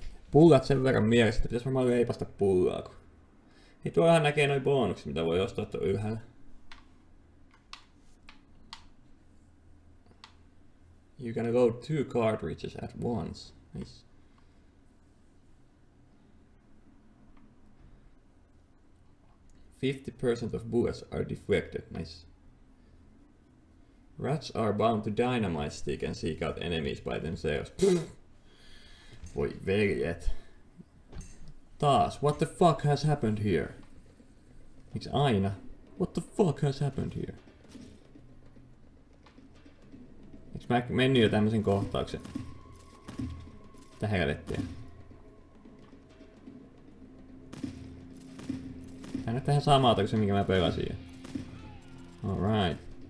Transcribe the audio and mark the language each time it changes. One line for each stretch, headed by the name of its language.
Finnish: Pullat sen verran mielessä, että pitäis varmaan leipasta pullaa. Kun... Niin tuollahan näkee noin bonukset, mitä voi ostaa tuon ylhäällä.
English: You're gonna load two cartridges at once. Nice. "50% of bullets are deflected." Nice. "Rats are bound to dynamite stick and seek out enemies by themselves."
Finnish: Voi veljet. Taas,
English: what the fuck has happened here?
Finnish: Miks aina?
English: What the fuck has happened here?
Finnish: Eiks mä menny jo tämmösen kohtauksen? Mitä helvettiä? Tää näyttää ihan samalta kuin se, minkä mä pelasin jo. Alright.